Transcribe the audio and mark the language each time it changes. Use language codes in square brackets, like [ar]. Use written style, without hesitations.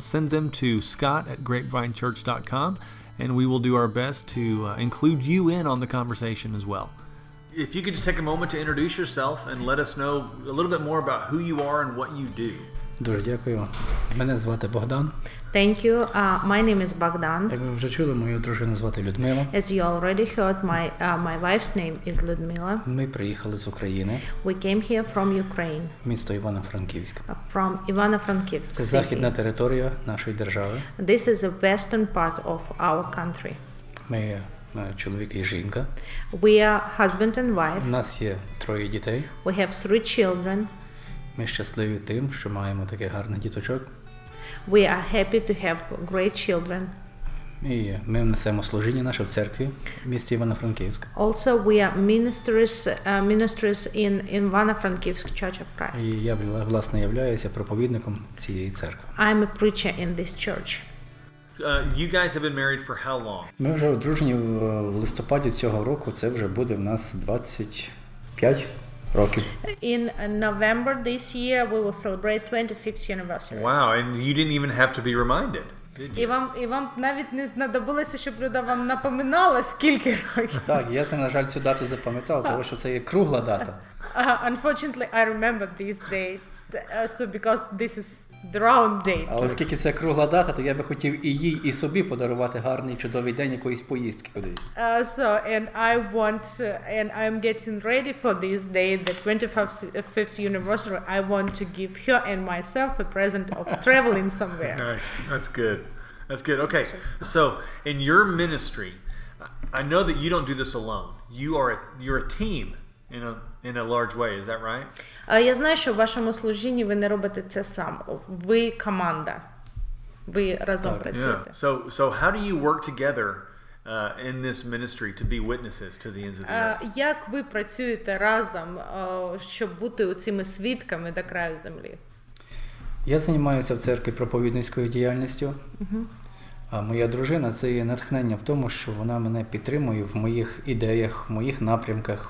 [en] Send them to scott@grapevinechurch.com, and we will do our best to include you in on the conversation as well. If you could just take a moment to introduce yourself and let us know a little bit more about who you are and what you do. [uk] Дуже дякую. Мене звати Богдан. [en] Thank you. My name is Богдан. [uk] Як ви вже чули, мою дружину звати Людмила. [en] As you already heard, my wife's name is Людмила. [uk] Ми приїхали з України. [en] We came here from Ukraine. [uk] Місто Івано-Франківськ. [en] From Івано-Франківськ. [uk] Це західна територія нашої держави. [en] This is the western part of our country. [uk] Чоловік і жінка. [en] We are husband and wife. [uk] У нас є троє дітей. [en] We have three children. [uk] Ми щасливі тим, що маємо таких гарних діточок. [en] We are happy to have great children. [uk] І ми несемо служіння наше в церкві в місті Івано-Франківськ. [en] Also we are ministers in Івано-Франківськ Church of Christ. [uk] І я, власне, являюся проповідником цієї церкви. [en] I'm a preacher in this church. You guys have been married for how long? [uk] Ми вже одружені в листопаді цього року, це вже буде в нас 25 років. [en] In November this year we will celebrate 25th anniversary. Wow, and you didn't even have to be reminded, did you? [uk] І вам навіть не знадобилося, щоб люда вам напоминала, скільки років. Так, я це, на жаль, цю дату запам'ятав, тому що це є кругла дата. [en] Unfortunately, I remember this date, so because this is the round date. [uk] Але оскільки це кругла дата, то я би хотів і їй, і собі подарувати гарний, чудовий день якоїсь поїздки кудись. [en] And I'm getting ready for this day, the 25th anniversary. I want to give her and myself a present of traveling somewhere. Nice. That's good. That's good. Okay. So, in your ministry, I know that you don't do this alone. You're a team in a large way, is that right? [uk] Я знаю, що в вашому служінні ви не робите це сам. Ви команда. Ви разом працюєте. [en] Yeah. So how do you work together in this ministry to be witnesses to the ends of the earth? [uk] Як ви працюєте разом, щоб бути цими свідками до краю землі? Я займаюся в церкві проповідницькою діяльністю. А моя дружина – це є натхнення в тому, що вона мене підтримує в моїх ідеях, в моїх напрямках.